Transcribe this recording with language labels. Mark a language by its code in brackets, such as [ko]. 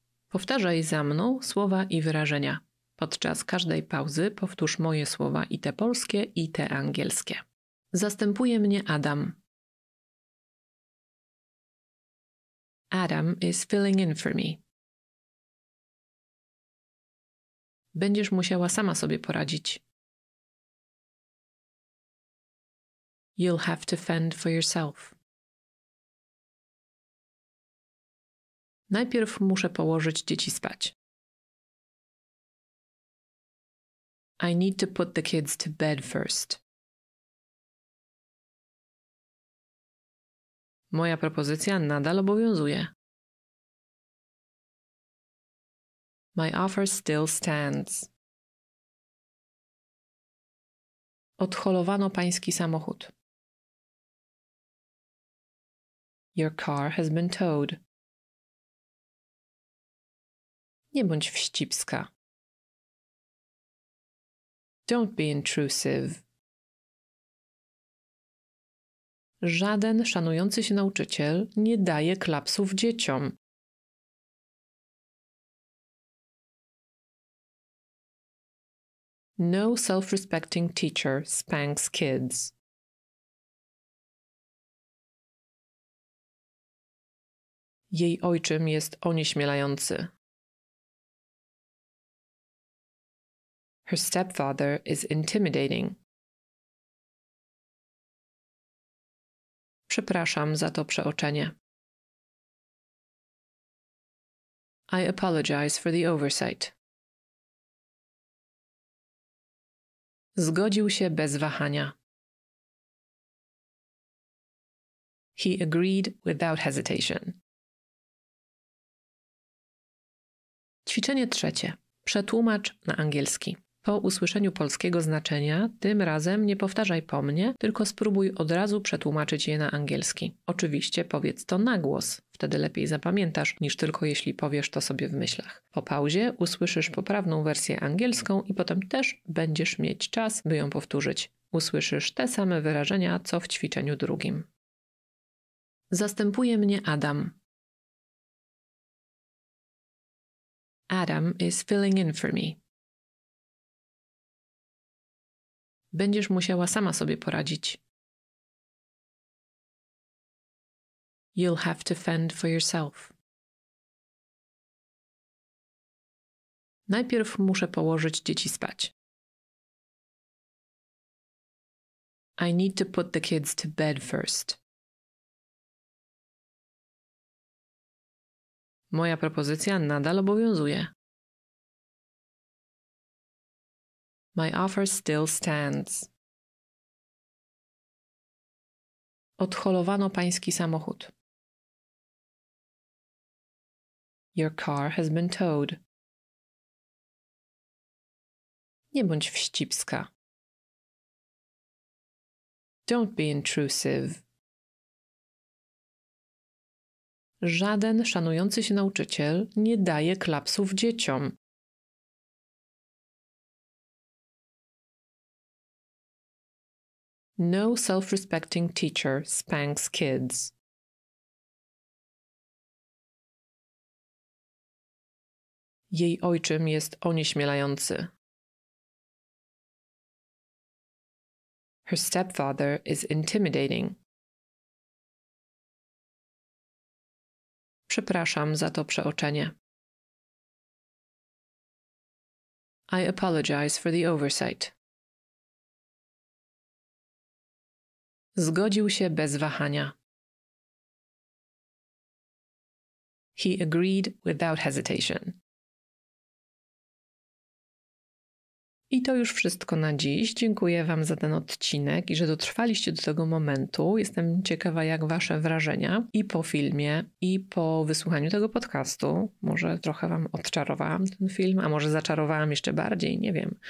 [pl] Powtarzaj za mną słowa i wyrażenia. Podczas każdej pauzy powtórz moje słowa i te polskie, i te angielskie. Zastępuje mnie Adam. [en] Adam is filling in for me. [pl] Będziesz musiała sama sobie poradzić. [en] You'll have to fend for yourself. [pl] Najpierw muszę położyć dzieci spać. [en] I need to put the kids to bed first. [pl] Moja propozycja nadal obowiązuje. [en] My offer still stands. [pl] odholowano pański samochód. [en] Your car has been towed. [pl] Nie bądź wścibska. [en] Don't be intrusive. [pl] Żaden szanujący się nauczyciel nie daje klapsów dzieciom. [en] No self-respecting teacher spanks kids. [pl] Jej ojczym jest onieśmielający. [en] Her stepfather is intimidating. [pl] Przepraszam za to przeoczenie. [en] I apologize for the oversight. [pl] Zgodził się bez wahania. [en] He agreed without hesitation. [pl] Ćwiczenie trzecie. Przetłumacz na angielski. Po usłyszeniu polskiego znaczenia, tym razem nie powtarzaj po mnie, tylko spróbuj od razu przetłumaczyć je na angielski. Oczywiście powiedz to na głos, wtedy lepiej zapamiętasz, niż tylko jeśli powiesz to sobie w myślach. Po pauzie usłyszysz poprawną wersję angielską i potem też będziesz mieć czas, by ją powtórzyć. Usłyszysz te same wyrażenia, co w ćwiczeniu drugim. Zastępuje mnie Adam. [en] Adam is filling in for me. [pl] Będziesz musiała sama sobie poradzić. [en] You'll have to fend for yourself. [pl] Najpierw muszę położyć dzieci spać. [en] I need to put the kids to bed first. [pl] Moja propozycja nadal obowiązuje. [en] My offer still stands. [pl] Odholowano pański samochód. [en] Your car has been towed. [pl] Nie bądź wścibska. [en] Don't be intrusive. [pl] Żaden szanujący się nauczyciel nie daje klapsów dzieciom. [en] No self-respecting teacher spanks kids. [pl] Jej ojczym jest onieśmielający. [en] Her stepfather is intimidating. [pl] Przepraszam za to przeoczenie. [en] I apologize for the oversight. [pl] Zgodził się bez wahania. [en] He agreed without hesitation. [pl] I to już wszystko na dziś. Dziękuję Wam za ten odcinek i że dotrwaliście do tego momentu. Jestem ciekawa, jak Wasze wrażenia i po filmie, i po wysłuchaniu tego podcastu. Może trochę Wam odczarowałam ten film, a może zaczarowałam jeszcze bardziej, nie wiem.